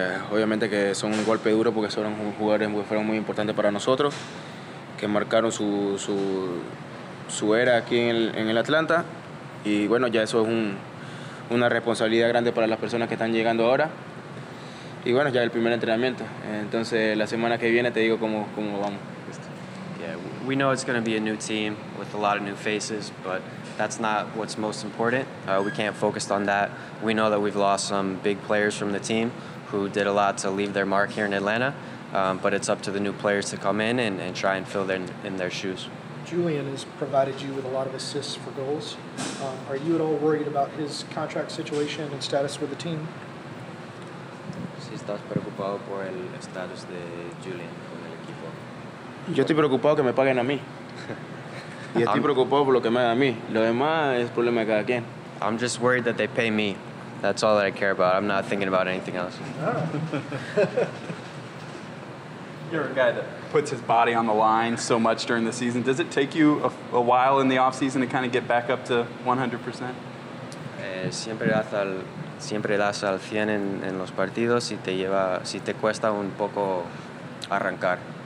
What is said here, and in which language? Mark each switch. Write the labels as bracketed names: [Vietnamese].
[Spanish] Obviamente que son un golpe duro porque son jugadores que fueron muy importantes para nosotros, que marcaron su era aquí en el Atlanta. Y bueno, ya eso es una responsabilidad grande para las personas que están llegando ahora. Y bueno, ya el primer entrenamiento. Entonces, la semana que viene te digo cómo vamos. [English] Yeah, we know it's going to be a new team with a lot of new faces, but that's not what's most important. We can't focus on that. We know that we've lost some big players from the team who did a lot to leave their mark here in Atlanta, but it's up to the new players to come in and try and fill in their shoes. Julian has provided you with a lot of assists for goals. Are you at all worried about his contract situation and status with the team? [Spanish] Si estás preocupado por el status de Julian con el equipo. Yo estoy preocupado que me paguen a mí. Y estoy preocupado por lo que me hagan a mí. Lo demás es problema de cada quien. [English] I'm just worried that they pay me. That's all that I care about. I'm not thinking about anything else. You're a guy that puts his body on the line so much during the season. Does it take you a while in the off season to kind of get back up to 100%? [Spanish] Siempre das al 100 en los partidos y te cuesta un poco arrancar.